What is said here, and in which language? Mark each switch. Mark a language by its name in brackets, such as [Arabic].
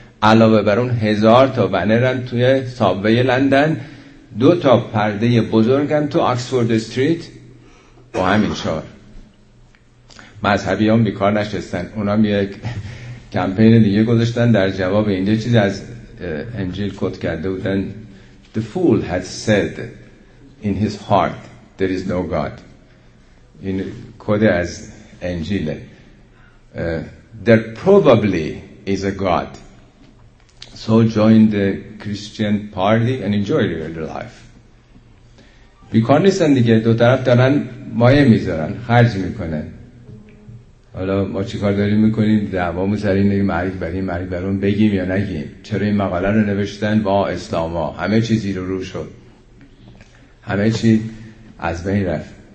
[Persian] علاوه بر اون 1000 تا بنرن توی سابوی لندن، 2 تا پرده بزرگن تو آکسفورد استریت با همین شعار. مذهبی هم بیکار نشستن، اونا هم یک کمپین دیگه گذاشتن در جواب این. یه چیز از انجیل کوت کرده بودن: [English] The fool had said in his heart There is no God. [Persian] این کد از انجیل. [English] There probably is a God. So join the Christian party and enjoy your life. [Persian] بیکار نیستن دیگه، دو طرف دارن مایه میذارن، خرج میکنن. حالا ما چیکار داریم میکنیم؟ دعوامو سر اینه که مرگ بر این مرگ بر اون بگیم یا نگیم. چرا این مقاله رو نوشتن؟ با اسلاما همه چی زیر رو شد، همه چی از بین رفت.